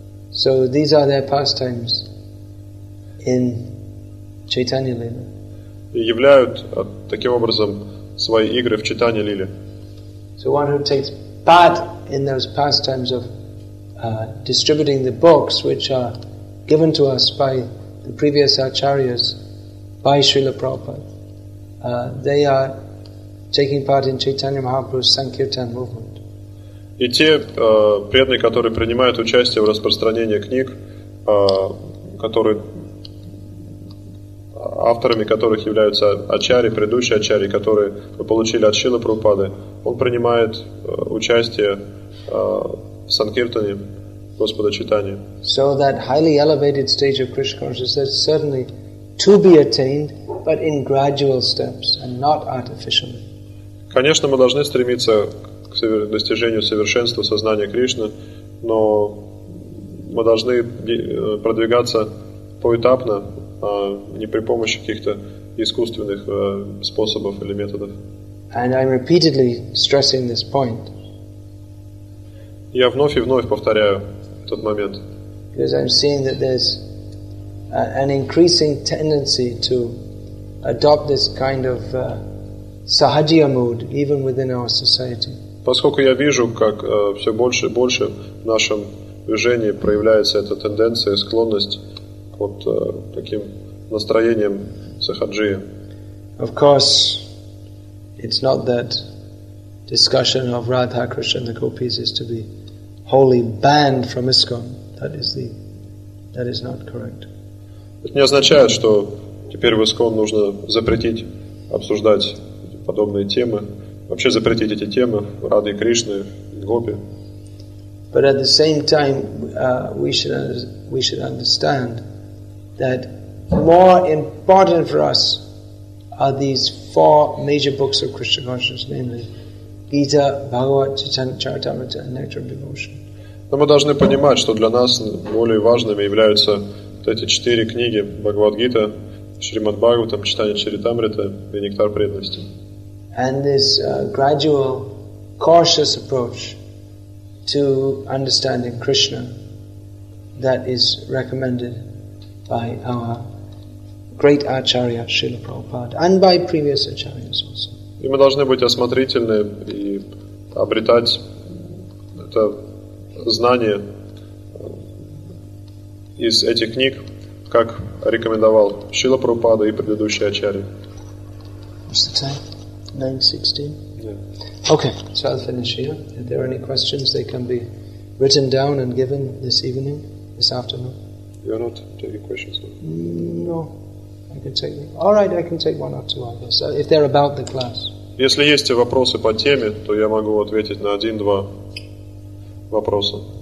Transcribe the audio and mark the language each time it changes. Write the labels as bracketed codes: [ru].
[en] So these are their pastimes in Chaitanya Lila. [ru] И являют таким образом свои игры в Чайтанья Лиле. [en] So one who takes part in those pastimes of distributing the books which are given to us by the previous acharyas, by Srila Prabhupada, they are taking part in Chaitanya Mahaprabhu's Sankirtan movement. [ru] И те преданные, которые принимают участие в распространении книг, которые авторами которых являются ачарьи, предыдущие ачарьи, которые мы получили от Шрилы Прабхупады, он принимает участие в Санкиртане Господа Чайтаньи. [en] So that highly elevated stage of Krishna consciousness is certainly to be attained, but in gradual steps and not artificially. [ru] Конечно, мы должны стремиться к достижению совершенства сознания Кришны, но мы должны продвигаться поэтапно, не при помощи каких-то искусственных способов или методов. [en] And I'm repeatedly stressing this point. [ru] Я вновь и вновь повторяю этот момент. [en] Because I'm seeing that there's an increasing tendency to adopt this kind of sahajiya mood even within our society. [ru] Поскольку я вижу, как все больше и больше в нашем движении проявляется эта тенденция, склонность вот таким настроением сахаджия. [en] Of course, it's not that discussion of Radha Krishna and the gopis is to be wholly banned from ISKCON. That is not correct. [ru] Это не означает, что теперь в ISKCON нужно запретить обсуждать подобные темы, вообще запретить эти темы Рады Кришны, гопи. [en] But at the same time, we should understand that more important for us are these four major books of Krishna consciousness, namely Gita, Bhagavad, Charitamrita, and Nectar of Devotion. [ru] Но мы должны понимать, что для нас более важными являются вот эти четыре книги: Бхагавад-гита, Шримад-Бхагаватам, Читание Чаритамрита и Нектар преданности. [en] And this gradual, cautious approach to understanding Krishna that is recommended by our great acharya Srila Prabhupada and by previous acharyas also. [ru] И мы должны быть осмотрительны и обретать это знание из этих книг, как рекомендовал Шрила Прабхупада и предыдущие ачарьи. [en] What's the time? 9:16? Yeah. Okay, so I'll finish here. If there are any questions, they can be written down and given this evening, this afternoon. You are not taking questions? No. I can take... All right, I can take one or two, I guess. If they're about the class. [ru] Если есть вопросы по теме, то я могу ответить на один-два вопроса.